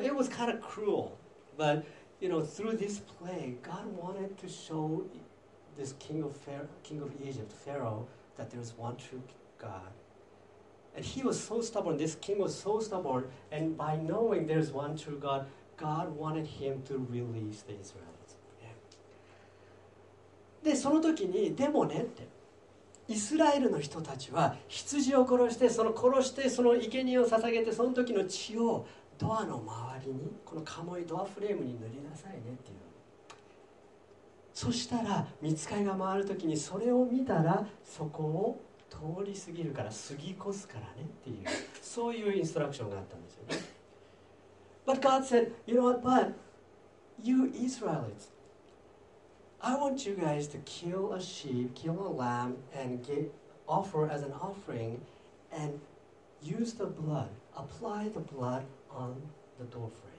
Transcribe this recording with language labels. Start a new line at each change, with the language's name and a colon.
English: So it was kind of cruel, butYou know, through this plague, God wanted to show this king of Egypt, Pharaoh, that there is one true God. And he was so stubborn, this king was so stubborn, and by knowing there is one true God, God wanted him to release the Israelites.
Japanese: で、その時に、でもねって、イスラエルの人たちは羊を殺して、その殺して、その生贄を捧げて、その時の血をドアの周りに、このカモイドアフレームに塗りなさいねっていう。そしたら御使いが回るときにそれを見たらそこを通り過ぎるから過ぎ越すからねっていうそういうインストラクションがあったんですよね。
English: But God said, you know what, but you Israelites, I want you guys to kill a sheep, kill a lamb, and get, offer as an offering, and use the blood, apply the blood on the doorframe.